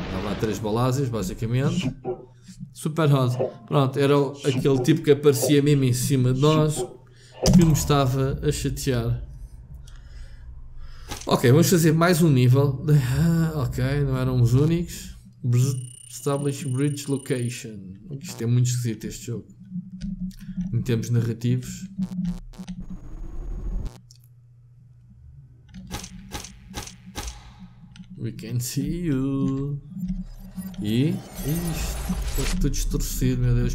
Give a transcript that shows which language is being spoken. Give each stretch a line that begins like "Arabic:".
Portuguese: Há três balásios, basicamente. Super Hot. Pronto, era aquele tipo que aparecia mesmo em cima de nós, que me estava a chatear. Ok, vamos fazer mais um nível. Ok, não eram os únicos.
English: Establish Bridge Location.
Portuguese: Isto é muito esquisito este jogo. Em termos narrativos.
English: We can see you.
Portuguese: E isto está tudo distorcido, meu Deus.